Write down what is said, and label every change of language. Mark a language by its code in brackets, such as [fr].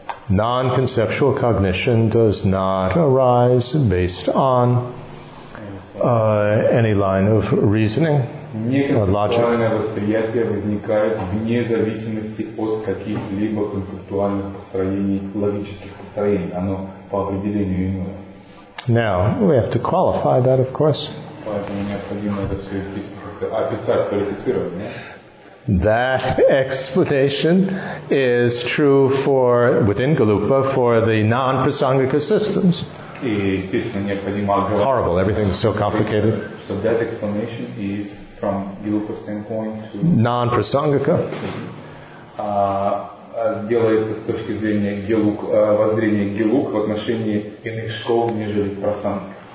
[en] Non-conceptual cognition does not arise based on any line of reasoning or logic. [ru] Неконцептуальное восприятие возникает вне зависимости от каких-либо концептуальных построений, логических построений. Оно по определению иное. [en] Now, we have to qualify that, of course. [ru] Поэтому необходимо это все описать, квалифицировать, нет? [en] That explanation is true for within Galupa for the non-prasangika systems. horrible. Everything is so complicated. So that explanation is from Gilupa standpoint to non-prasangika. [ru] Делается с точки зрения гилук, воззрения гилук в отношении иных школ, нежели прасангика.